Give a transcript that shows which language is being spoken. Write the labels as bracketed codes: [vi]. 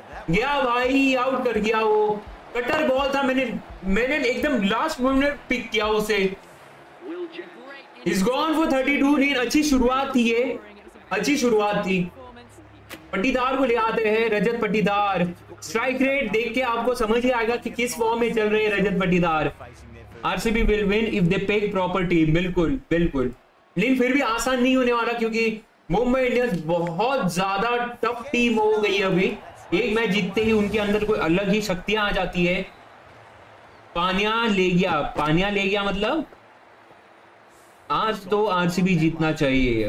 [hi] गया भाई, आउट कर गया वो। कटर बॉल था, मैंने एकदम लास्ट मोमेंट पिक किया उसे। [en] Is gone for 32 run. [hi] अच्छी शुरुआत थी ये, अच्छी शुरुआत थी। पट्टीदार को ले आते हैं, रजत पट्टीदार। स्ट्राइक रेट देख के आपको समझ ही आएगा कि किस फॉर्म में चल रहे हैं रजत पट्टीदार। [en] RCB will win if they pick proper team. [hi] बिल्कुल बिल्कुल, लेकिन फिर भी आसान नहीं होने वाला क्योंकि मुंबई इंडियंस बहुत ज्यादा टफ टीम हो गई है। अभी एक मैच जीतते ही उनके अंदर कोई अलग ही शक्तियां आ जाती है। पानिया ले गया मतलब आज तो RCB जीतना चाहिए।